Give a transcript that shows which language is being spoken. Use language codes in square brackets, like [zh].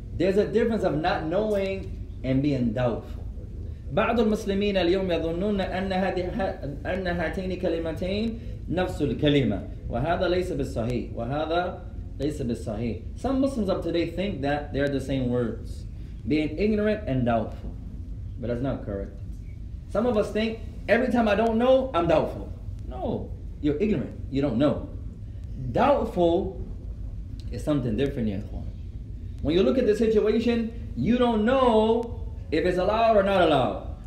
[en] There's a difference of not knowing and being doubtful. [ar] بعض المسلمين اليوم يظنون أن هاتين كلمتين نفس الكلمة وهذا ليس بالصحيح وهذا ليس بالصحيح. [en] Some Muslims of today think that they are the same words, being ignorant and doubtful. But that's not correct. Some of us think, every time I don't know, I'm doubtful. No, you're ignorant, you don't know. Doubtful is something different, ya ikhwan. When you look at the situation, you don't know if it's allowed or not allowed.